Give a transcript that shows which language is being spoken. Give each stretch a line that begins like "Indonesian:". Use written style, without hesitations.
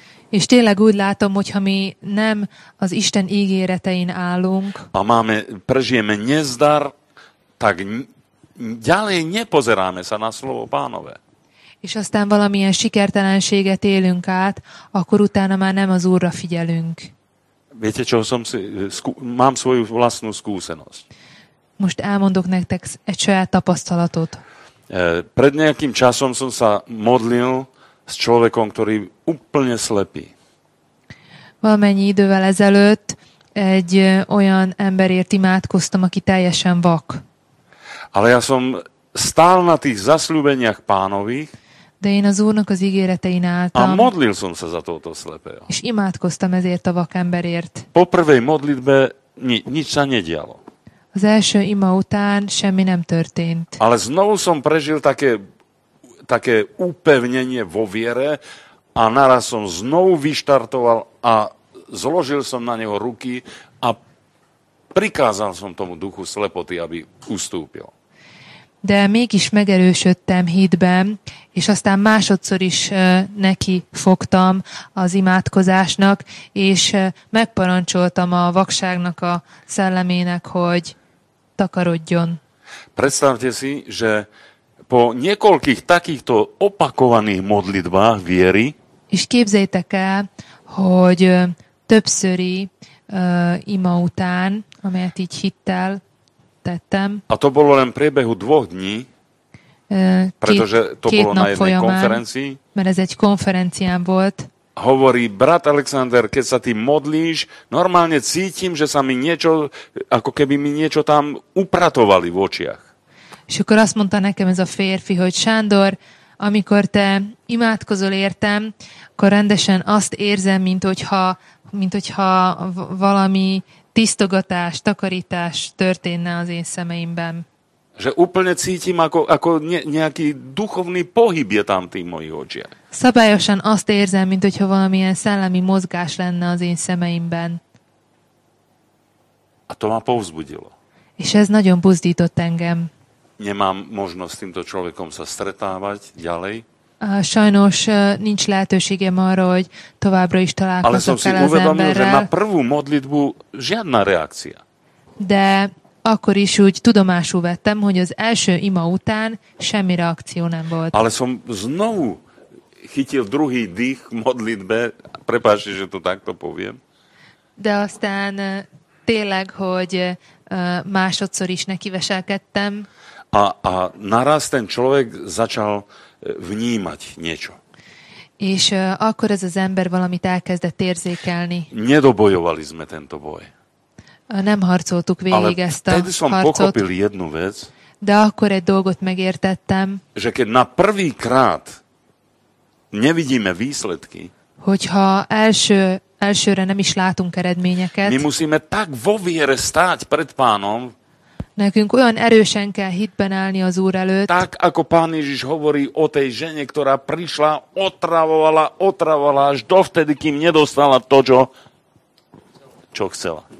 Hungarian: és tényleg úgy látom, hogyha mi nem az Isten ígéretein állunk.
Slovak: A máme, prežijeme nezdar, tak ďalej nepozeráme sa na slovo pánové.
Hungarian: És aztán valamilyen sikertelenséget élünk át, akkor utána már nem az Úrra figyelünk.
Slovak: Viete, čo som si, mám svoju vlastnú skúsenosť.
Hungarian: Most elmondok nektek egy saját tapasztalatot.
Slovak: Pred nejakým časom som sa modlil s človekom, ktorý úplne slepý.
Hungarian: Valamennyi idővel ezelőtt egy olyan emberért imádkoztam, aki teljesen vak.
Slovak: Ale ja som stál na tých zasľúbeniach pánových.
Hungarian: De én az Úrnak az ígéretein álltam.
Slovak: A modlil som sa za tohoto slepého.
Hungarian: És imádkoztam ezért a vak emberért.
Slovak: Po prvej modlitbe nič sa nedialo.
Hungarian: Az első ima után semmi nem történt.
Slovak: Ale znovu som prežil také upevnenie vo viere a naraz som znovu vyštartoval a zložil som na neho ruky a prikázal som tomu duchu slepoty, aby ustúpil.
Hungarian: De mégis megerősödtem hitben, és aztán másodszor is neki fogtam az imádkozásnak, és megparancsoltam a vakságnak a szellemének, hogy takarodjon.
Slovak: Predstavte si, že po niekoľkých takýchto opakovaných modlitbách viery.
Hungarian: És képzeljétek el, hogy többszöri ima után, amelyet így hittel tettem.
Slovak: A to bolo len priebehu dvoch dní, pretože to bolo na jednej konferencii.
Hungarian: Mert ez egy konferencián volt.
Slovak: Hovorí, brat Alexander, keď sa ty modlíš, normálne cítim, že sa mi niečo, ako keby mi niečo tam upratovali v očiach.
Hungarian: És akkor azt mondta nekem ez a férfi, hogy Sándor, amikor te imádkozol értem, akkor rendesen azt érzem, mint hogyha valami tisztogatás, takarítás történne az én szemeimben.
Slovak: Že úplne cítim, ako nejaký duchovný pohyb je tam tým mojich očiach.
Hungarian: Szabályosan azt érzem, mint hogyha valamilyen szellemi mozgás lenne az én szemeimben.
Slovak: A to ma povzbudilo.
Hungarian: És ez nagyon buzdított engem.
Slovak: Nemám možnosť s týmto človekom sa stretávať ďalej.
Hungarian: Sajnos nincs lehetőségem arra, hogy továbbra is találkozzak vele.
Slovak: Ale som si uvedomil, že na prvú modlitbu žiadna reakcia.
Hungarian: De akkor is úgy tudomásul vettem, hogy az első ima után semmi reakció nem volt.
Slovak: Ale som znovu chytil druhý dých modlitbe. Prepáčte, že to takto poviem.
Hungarian: De aztán tényleg, hogy másodszor is nekiveselkedtem.
Slovak: A naraz ten človek začal vnímať niečo.
Hungarian: És akkor ez az ember valamit elkezdett érzékelni.
Slovak: Nedobojovali sme tento boj.
Hungarian: Nem harcoltuk végig ezt a harcot.
Slovak: Ale vtedy som pochopil jednu vec.
Hungarian: De akkor egy dolgot megértettem.
Slovak: Že keď na prvý krát nevidíme výsledky.
Hungarian: Hogyha elsőre nem is látunk eredményeket.
Slovak: My musíme tak vo viere stáť pred pánom.
Hungarian: Nekünk olyan erősen kell hitben állni az Úr előtt.
Slovak: Tak, ako pán Ježiš hovorí o tej žene, ktorá prišla, otravovala až dovtedy, kým nedostala to, čo chcela.